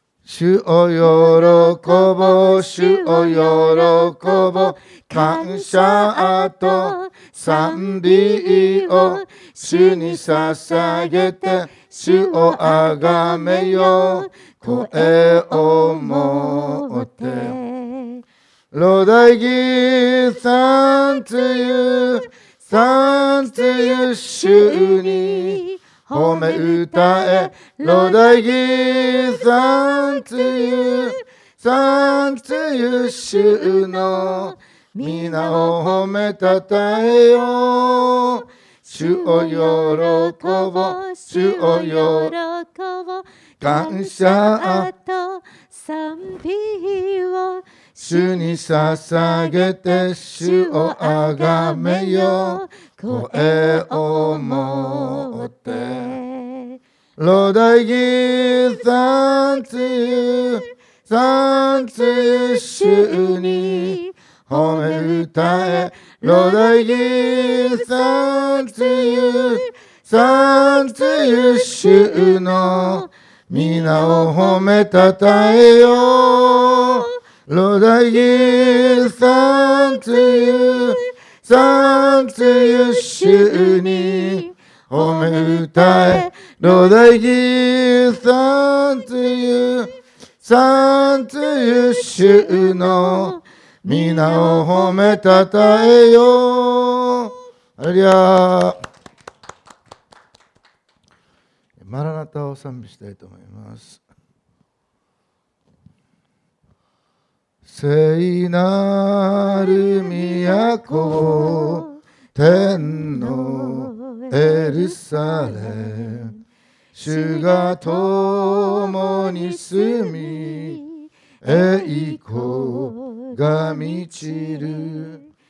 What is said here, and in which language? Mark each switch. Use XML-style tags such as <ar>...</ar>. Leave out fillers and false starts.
<ja>主を喜ぼ、主を喜ぼ、感謝と賛美を主に捧げて、主をあがめよ、声をもって。</ja> <en>Lord, I give thanks to you, thanks to you,</en> <ja>主に褒め歌え。</ja> <en>Lord, I give thanks to you, thanks to you,</en> <ja>主の皆を褒めたたえよ。主を喜ぼ、主を喜ぼ、感謝と賛美を主に捧げて、主をあがめよ、声をもって。</ja> <en>Lord, I give thanks to you, thanks to you,</en> <ja>主に褒め歌え。</ja> <en>Lord, I give thanks to you, thanks to you,</en> <ja>主の皆を褒めたたえよ。</ja> <en>Lord, I give thanks to you, thanks to you,</en> <ja>主に褒め歌え。</ja> <en>Lord, I give thanks to you, thanks to you,</en> <ja>主の皆を褒めたたえよ。ハレルヤ。マラナタを賛美したいと思います。聖なる都、天のエルサレム、主が共に住み、栄光が満ちる。</ja>